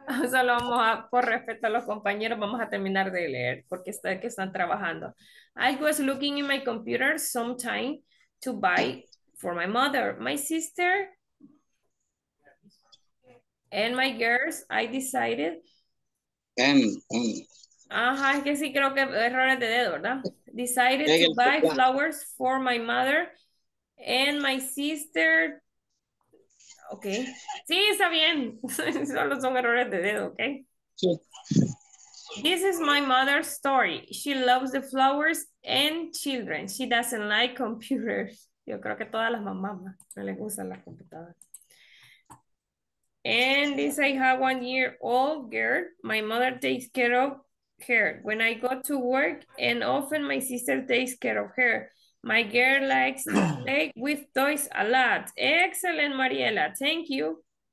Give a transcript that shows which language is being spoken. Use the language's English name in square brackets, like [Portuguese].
[Spanish] Solo vamos a, por respeto a los compañeros, vamos a terminar de leer porque está que están trabajando. [English] I was looking in my computer sometime to buy for my mother, my sister, and my girls. I decided. And [Spanish] Ajá, es que sí creo que errores de dedo, ¿verdad? [English] Decided to buy flowers for my mother and my sister. [Spanish] Ok. Sí, está bien. Solo son errores de dedo, ¿ok? Sí. [English] This is my mother's story. She loves the flowers and children. She doesn't like computers. [Spanish] Yo creo que todas las mamás no les gustan las computadoras. [English] And this I have 1 year old girl. My mother takes care of her when I go to work, and often my sister takes care of her. My girl likes to play with toys a lot. Excellent, Mariela. Thank you.